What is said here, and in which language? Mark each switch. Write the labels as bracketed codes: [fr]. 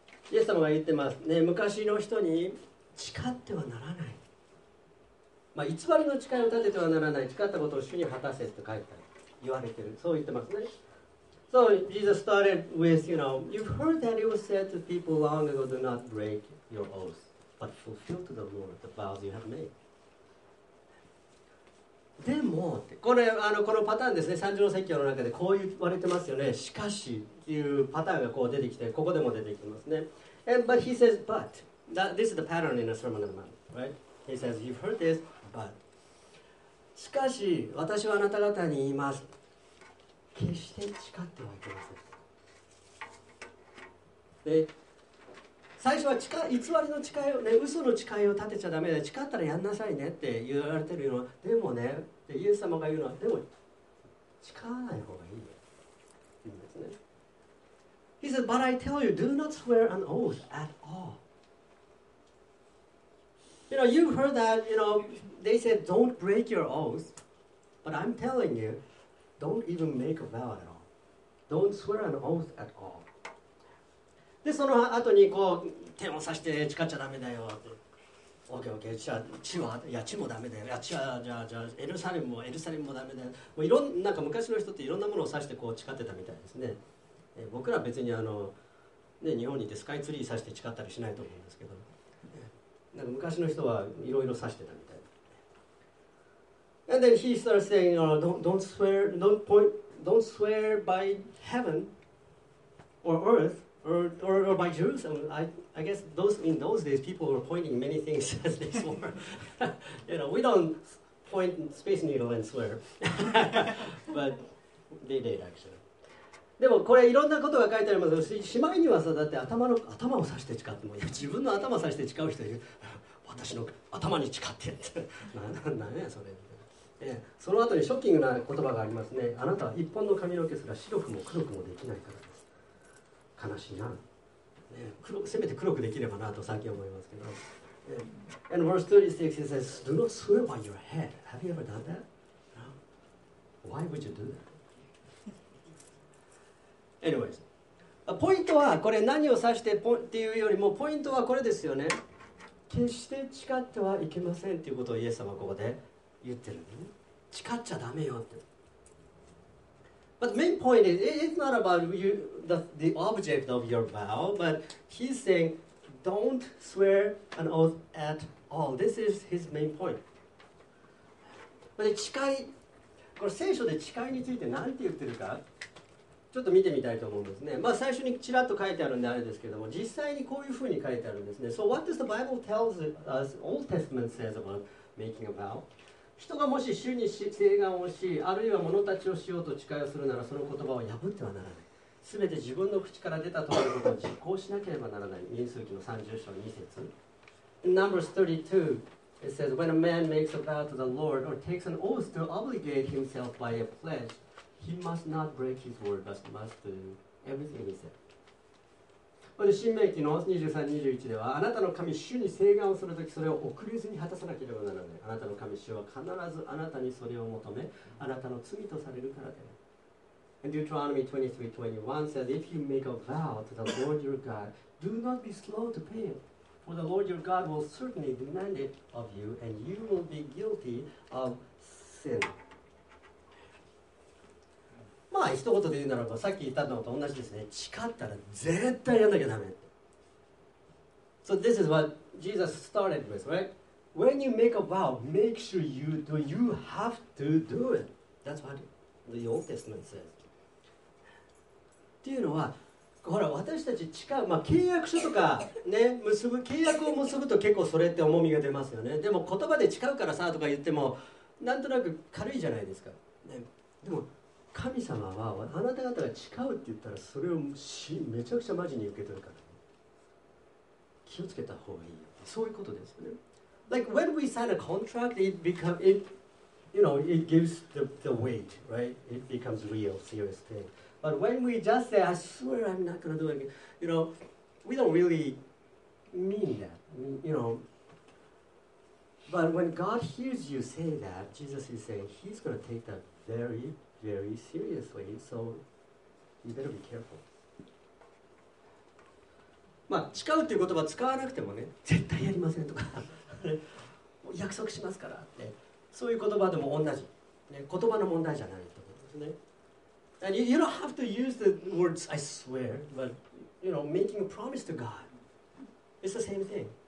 [ja] イエス様が言ってますね、昔の人に誓ってはならない、まあ、偽りの誓いを立ててはならない、誓ったことを主に果たせと書いてある、言われてる、そう言ってますね。 [en] So Jesus started with, you know, you've heard that it was said to people long ago, do not break your oath, but fulfill to the Lord the vows you have made. [ja] でもこれあの、このパターンですね、三条の説教の中でこう言われてますよね。しかしというパターンがこう出てきて、ここでも出てきてますね。 [en] And, But he says, but, that, this is the pattern in a Sermon on the Mount, right? He says, you've heard this, [ja] しかし私はあなた方に言います、決して誓ってはいけません。で、最初は偽りの誓いをね、嘘の誓いを立てちゃダメで、誓ったらやんなさいねって言われてるの。でもね、でイエス様が言うのは、でも誓わない方がいいよって言うんですね。 [en] He said, but I tell you, do not swear an oath at all. You know, you've heard that, you know,They said, don't break your oath, but I'm telling you, don't even make a vow at all. Don't swear an oath at all. [ja] で、その後にこう、手を差して誓っちゃダメだよって。 OKOK、じゃあ、地は、いや、地もダメだよ。いや、地は、じゃあ、エルサレムもダメだよ。もういろんな、なんか昔の人っていろんなものを差してこう誓ってたみたいですね。僕ら別にあの、ね、日本にいてスカイツリー差して誓ったりしないと思うんですけど、なんか昔の人はいろいろ差してたみたい。 [en] And then he starts saying, don't swear by heaven or earth Or by Jerusalem, I guess those in those days people were pointing many things as they swore. You know, we don't point space needle and swear, but they did actually. [ja] でもこれいろんなことが書いてありますし、しまいにはさだって頭を刺して誓っても、いや自分の頭を刺して誓う人いる。私の頭に誓ってって、なんやそれ。その後にショッキングな言葉がありますね。あなたは一本の髪の毛すら白くも黒くもできないからです。悲しいな、ね、せめて黒くできればなとさっき思いますけど。 [en] And verse 36 it says, Do not swear by your head. Have you ever done that? No. Why would you do that? Anyways, [ja] ポイントはこれ何を指してっていうよりもポイントはこれですよね。決して誓ってはいけませんということをイエス様はここで言ってる、ね。誓っちゃダメよって。 [en] But the main point is, it's not about you, the object of your vow, but he's saying, don't swear an oath at all. This is his main point. But the [ja] 誓い、これ聖書で誓いについて何て言ってるか、ちょっと見てみたいと思うんですね。まあ最初にちらっと書いてあるんであれですけども、実際にこういうふうに書いてあるんですね。 [en] So what does the Bible tell us, Old Testament says about making a vow? [ja] 人がもし主に誓願をし、あるいは者たちをしようと誓いをするなら、その言葉を破ってはならない。すべて自分の口から出たとおりのことを実行しなければならない。民数記の30章2節。 [en] Numbers 32, it says, When a man makes a vow to the Lord or takes an oath to obligate himself by a pledge, he must not break his word, but must do everything he said. [ja] これ新明記の23、21では、あなたの神、主に誓願をするとき、それを遅れずに果たさなければならない。あなたの神、主は必ずあなたにそれを求め、あなたの罪とされるからである。 [en] And Deuteronomy 23, 21 says, If you make a vow to the Lord your God, do not be slow to pay it. For the Lord your God will certainly demand it of you, and you will be guilty of sin. [ja] まあ一言で言うならばさっき言ったのと同じですね。誓ったら絶対やんなきゃダメ。 [en] So this is what Jesus started with, right? When you make a vow, make sure you do. You have to do it. That's what the Old Testament says. [ja] っていうのは、ほら私たち誓う、まあ契約書とかね結ぶ契約を結ぶと結構それって重みが出ますよね。でも言葉で誓うからさとか言ってもなんとなく軽いじゃないですか。ね、でも神様はあなた方が誓うって言ったらそれをめちゃくちゃマジに受け取るから、ね、気をつけた方がいいよ。そういうことですよね。 [en] Like when we sign a contract, it becomes, it, you know, it gives the weight, right? It becomes real, serious thing. But when we just say, I swear I'm not gonna do it, you know, we don't really mean that, you know. But when God hears you say that, Jesus is saying He's gonna take that very Very seriously, so you better be careful. [ja] まあ、誓うっていう言葉使わなくてもね、絶対やりませんとか、もう約束しますからって、そういう言葉でも同じ、ね、言葉の問題じゃないってことですね。 [en] And you don't have to use the words I swear, but you know, making a promise to God, it's the same thing.